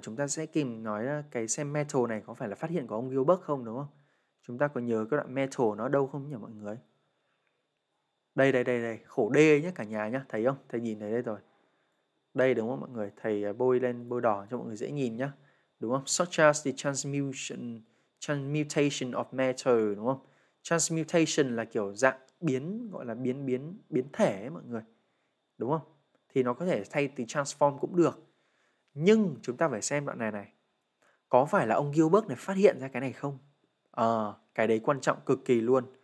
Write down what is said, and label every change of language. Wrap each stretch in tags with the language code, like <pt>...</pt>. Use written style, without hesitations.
<vi>Chúng ta sẽ tìm nói cái xem metal này có phải là phát hiện của ông Gilbert không, đúng không? Chúng ta có nhớ cái đoạn metal nó đâu không nhỉ mọi người? Đây đây đây đây. Khổ D nhé cả nhà nhé. Thấy không? Thầy nhìn thấy đây rồi. Đây đúng không mọi người? Thầy bôi lên bôi đỏ cho mọi người dễ nhìn nhé. Đúng không?</vi> <en>Such as the transmutation of matter, đúng không?</en> <vi>Transmutation là kiểu dạng biến, gọi là biến thể ấy mọi người. Đúng không? Thì nó có thể thay từ transform cũng được. Nhưng chúng ta phải xem đoạn này này. Có phải là ông Gilbert này phát hiện ra cái này không? Cái đấy quan trọng cực kỳ luôn.</vi>